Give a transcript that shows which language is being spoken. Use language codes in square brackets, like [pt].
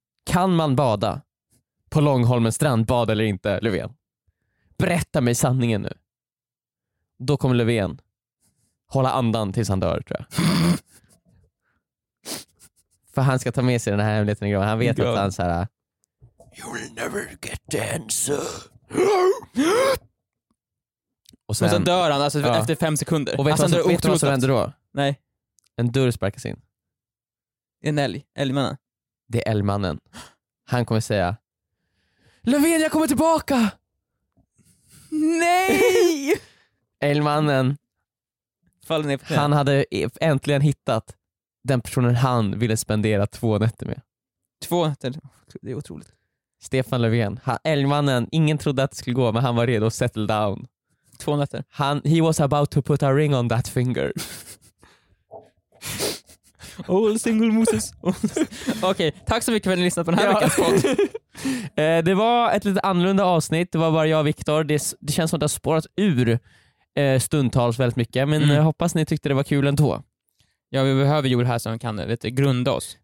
[sv] Kan man bada på Långholmens strandbad eller inte, Löfven? Berätta mig sanningen nu. Då kommer Löfven hålla andan tills han dör, tror jag. För han ska ta med sig den här hemligheten i graven. Han vet att han så här... [en] You'll never get the answer. [sv] Och sen dör han alltså efter 5 sekunder. Och vet du vad som händer då? Nej. En dörr sparkas in. En älg. Älgmannen. Det är älgmannen. Han kommer säga... Löfven, jag kommer tillbaka! Nej! Elmannen. Han hade äntligen hittat den personen han ville spendera två nätter med. Två nätter? Det är otroligt. Stefan Löfven. Elmannen, ingen trodde att det skulle gå, men han var redo att [en] settle down. [sv] Två nätter. Han, [en] he was about to put a ring on that finger. All single Moses. [sv] Okej, okay, tack så mycket för att ni lyssnat på den här veckans podd. Det var ett lite annorlunda avsnitt. Det var bara jag och Viktor. Det känns som att det har spårat ur stundtals väldigt mycket. Men jag hoppas ni tyckte det var kul ändå. Ja, vi behöver jord här som kan lite grunda oss.